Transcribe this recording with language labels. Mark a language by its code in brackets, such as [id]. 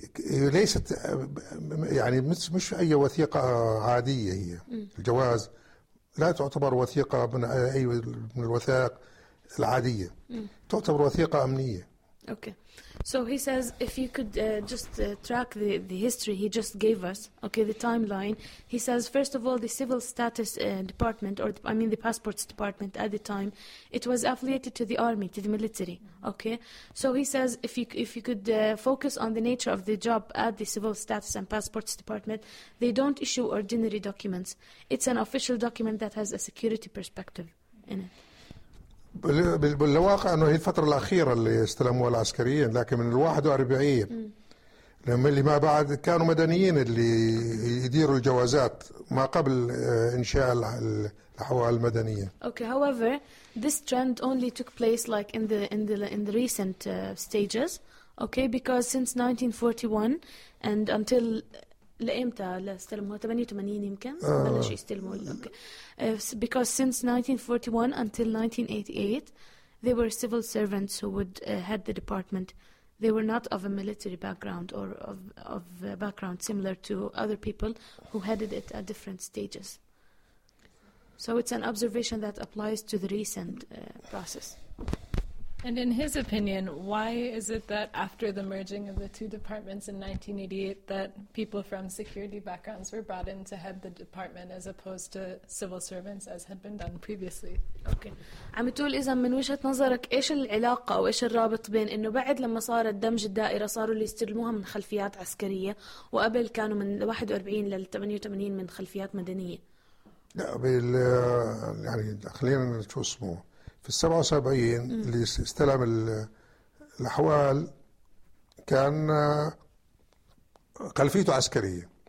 [ar] ليست يعني مش أي وثيقة عادية هي الجواز لا تعتبر وثيقة من أي من الوثائق العادية تعتبر وثيقة أمنية [en] Okay, so he says if you could track the history he just gave us, okay, the timeline. He says first of all, the civil status department, the passports department at the time, it was affiliated to the army, to the military. Okay, so he says if you could focus on the nature of the job at the civil status and passports department, they don't issue ordinary documents. It's an official document that has a security perspective in it. [ar] بالواقع أنه هي الفترة الأخيرة اللي استلموها العسكريين لكن من 41 لما اللي ما بعد كانوا مدنيين اللي يديروا الجوازات ما قبل إنشاء الأحوال المدنية. [en] Okay, however, this trend only took place like in the recent stages. Okay, because since 1941 and until [ar] لأمتى لاستلموها 88 يمكن بلش يستلموا [en] because since 1941 until 1988 they were civil servants who would head the department they were not of a military background or of a background similar to other people who headed it at different stages so it's an observation that applies to the recent process And in his opinion, why is it that after the merging of the two departments in 1988 that people from security backgrounds were brought in to head the department as opposed to civil servants as had been done previously? [ar] Okay. عم تقول إذا من وجهة نظرك إيش العلاقة أو إيش الرابط بين إنه بعد لما صار الدمج الدائرة صاروا اللي يستلموها من خلفيات عسكرية وقبل كانوا من 41 لل 88 من خلفيات مدنية؟ لا بال يعني خلينا نشوف اسمه في 77 اللي استلم الأحوال كان خلفيته عسكرية